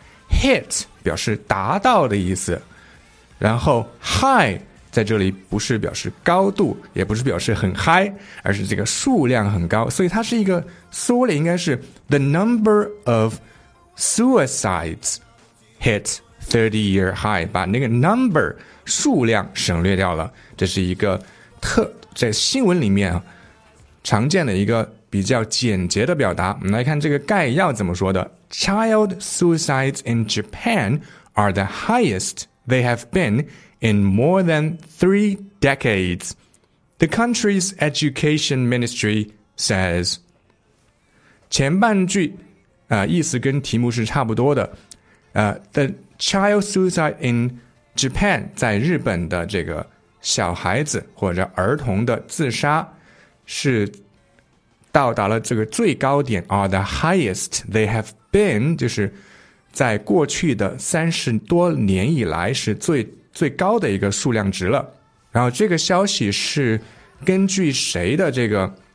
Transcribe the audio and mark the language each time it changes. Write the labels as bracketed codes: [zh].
[zh] Hit 表示达到的意思，然后 high 在这里不是表示高度，也不是表示很 high， 而是这个数量很高，所以它是一个缩略，应该是 [en] The number of suicides hit 30-year high， [zh] 把那个 number 数量省略掉了。这是一个在新闻里面常见的一个比较简洁的表达。我们来看这个概要怎么说的。 [en] Child suicides in Japan are the highest they have been in more than three decades. The country's education ministry says. [zh] 前半句、意思跟题目是差不多的、 [en] The child suicide in Japan [zh] 在日本的这个小孩子或者儿童的自杀是到达了这个最高点 [en] or the highest they have been [zh] 就是在过去的三十多年以来是最最高的一个数量值了然后这个消息是根据谁的这个